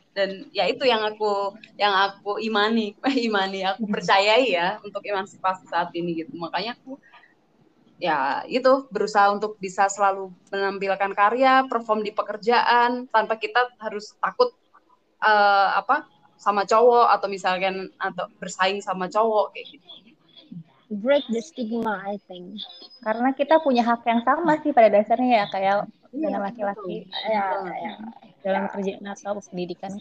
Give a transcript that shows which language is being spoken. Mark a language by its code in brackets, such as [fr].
[id] Dan ya itu yang aku imani aku percayai ya untuk emansipasi saat ini gitu. Makanya aku ya itu berusaha untuk bisa selalu menampilkan karya, perform di pekerjaan tanpa kita harus takut apa sama cowok atau misalkan atau bersaing sama cowok kayak gitu. [en] Break the stigma, I think. [id] Karena kita punya hak yang sama sih pada dasarnya ya, kayak dengan laki-laki. Iya, dalam kerjaan atau pendidikan.